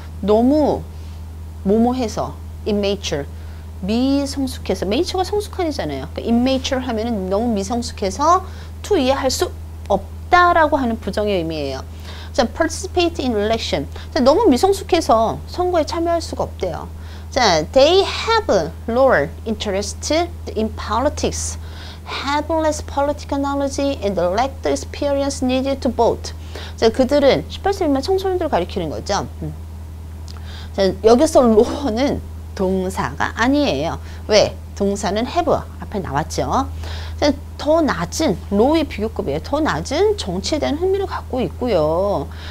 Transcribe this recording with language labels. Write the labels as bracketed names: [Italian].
[Korean] 너무 모모해서, immature. 미성숙해서, mature가 성숙한이잖아요. 그러니까 immature 하면은 너무 미성숙해서 to 이해할 수 없다라고 하는 부정의 의미예요. [English] 자, participate in election. [Korean] 자, 너무 미성숙해서 선거에 참여할 수가 없대요. [English] 자, they have lower interest in politics, have less political knowledge and lack the experience needed to vote. [Korean] 자, 그들은 18세 미만 청소년들을 가리키는 거죠. 자, 여기서 lower는 동사가 아니에요. 왜? 동사는 have 앞에 나왔죠. 더 낮은 low의 비교급이에요. 더 낮은 정치에 대한 흥미를 갖고 있고요.